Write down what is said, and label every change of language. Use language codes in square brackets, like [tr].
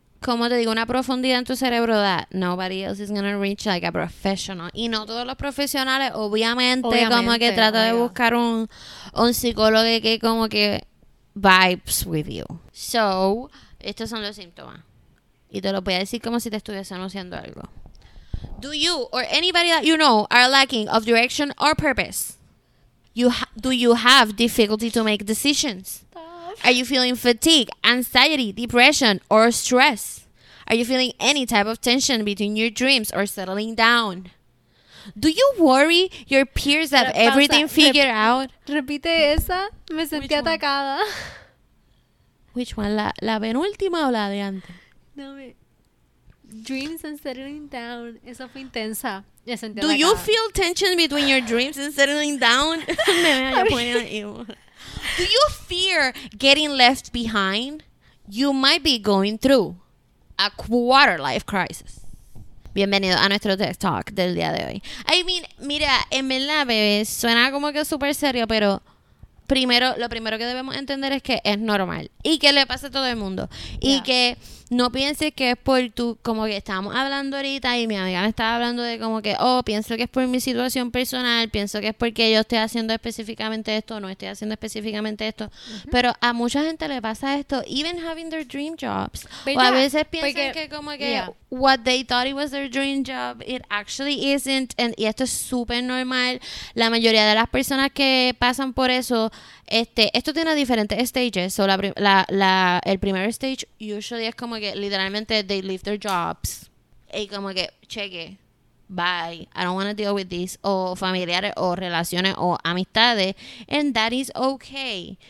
[es] Como te digo, una profundidad en tu cerebro [en] that nobody else is gonna reach like a professional. [es] Y no todos los profesionales, obviamente como que trata de buscar un psicólogo que como que... [en] vibes with you. So, [es] estos son los síntomas. Y te lo voy a decir como si te estuviese anunciando algo. [en] Do you or anybody that you know are lacking of direction or purpose? Do you have difficulty to make decisions? Are you feeling fatigue, anxiety, depression, or stress? Are you feeling any type of tension between your dreams or settling down? Do you worry your peers have [es] pero, [en] everything [es] pausa, [en] figured out? [es] Repite esa, me sentí [en] which [es] atacada. [en] Which one? [es] ¿La penúltima o la de antes? [en] No, dreams and settling down. [es] Eso fue intensa. [en] Do you feel tension between your dreams and settling down? Do you fear getting left behind? You might be going through a quarter life crisis. [es] Bienvenido a nuestro TED Talk del día de hoy. [en] I mean, [es] mira, en verdad, bebé, suena como que súper serio, pero primero, lo primero que debemos entender es que es normal y que le pasa a todo el mundo. Y yeah. que no pienses que es por tu, como que estábamos hablando ahorita y mi amiga me estaba hablando de como que, oh, pienso que es por mi situación personal, pienso que es porque yo estoy haciendo específicamente esto, no estoy haciendo específicamente esto. Uh-huh. Pero a mucha gente le pasa esto, [en] even having their dream jobs. [es] But o yeah, a veces piensan porque, que como que yeah. [en] what they thought it was their dream job, it actually isn't. And, [es] y esto es súper normal. La mayoría de las personas que pasan por eso, esto tiene diferentes stages. [en] So [es] el primer [en] stage usually [es] es como que literalmente [en] they leave their jobs [es] y como que cheque, [en] bye, I don't want to deal with this, [es] o familiares o relaciones o amistades, [en] and that is okay.